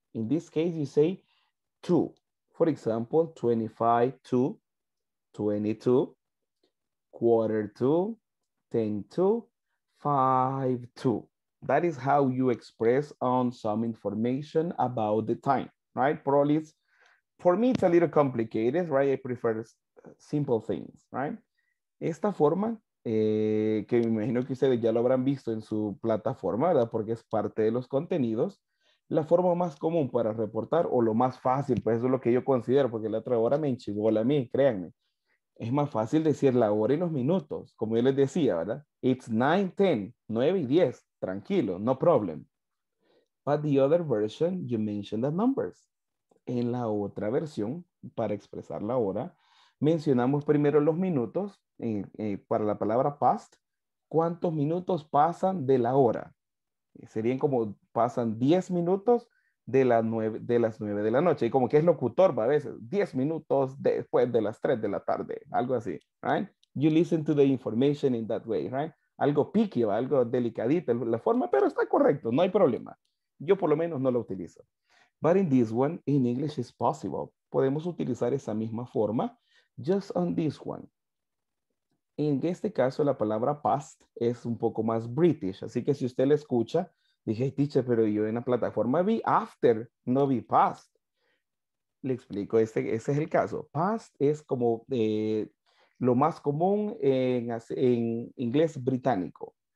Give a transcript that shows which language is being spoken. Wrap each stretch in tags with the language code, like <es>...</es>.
<en>In this case, you say two. For example, 25 to 22, quarter to 10 to 5 to. That is how you express on some information about the time, right? Probably it's, for me, it's a little complicated, right? I prefer simple things, right?</en> <es>Esta forma, que me imagino que ustedes ya lo habrán visto en su plataforma, ¿verdad? Porque es parte de los contenidos. La forma más común para reportar, o lo más fácil, pues eso es lo que yo considero, porque la otra hora me enchibola a mí, créanme. Es más fácil decir la hora y los minutos, como yo les decía, ¿verdad?</es> <en>It's 9:10, 9:10, tranquilo, no problem. But the other version, you mentioned the numbers.</en> <es>En la otra versión, para expresar la hora, mencionamos primero los minutos, para la palabra past, ¿cuántos minutos pasan de la hora? Serían como pasan 10 minutos de, la 9, de las 9 de la noche. Y como que es locutor, va a veces. 10 minutos después de las 3 de la tarde. Algo así, right?</es> <en>You listen to the information in that way, right?</en> <es>Algo picky, ¿va? Algo delicadito la forma, pero está correcto. No hay problema. Yo por lo menos no lo utilizo.</es> <en>But in this one, in English is possible.</en> <es>Podemos utilizar esa misma forma.</es> <en>Just on this one.</en> <es>En este caso, la palabra past es un poco más British. Así que si usted la escucha, dije, hey, teacher, pero yo en la plataforma vi after, no vi past. Le explico, ese es el caso. Past es como lo más común en inglés británico.</es>